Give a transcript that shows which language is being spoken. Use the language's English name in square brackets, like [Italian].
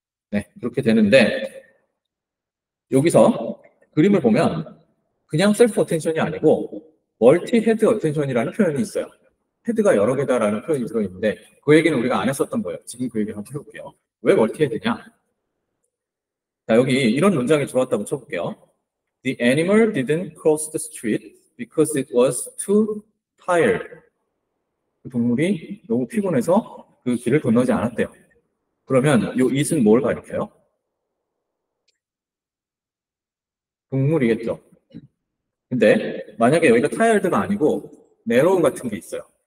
[Korean] 네, 그렇게 되는데, 여기서 그림을 보면 그냥 셀프 어텐션이 아니고, 멀티 헤드 어텐션이라는 표현이 있어요. 헤드가 여러 개다라는 표현이 들어있는데, 그 얘기는 우리가 안 했었던 거예요. 지금 그 얘기를 한번 해볼게요. 왜 멀티 헤드냐? 자, 여기 이런 문장이 좋았다고 쳐볼게요. [English] The animal didn't cross the street because it was too tired. [Korean] 그 동물이 너무 피곤해서 그 길을 건너지 않았대요. 그러면 요 it은 뭘 가리켜요? 동물이겠죠. 근데 만약에 여기가 tired가 아니고 narrow 같은 게 있어요.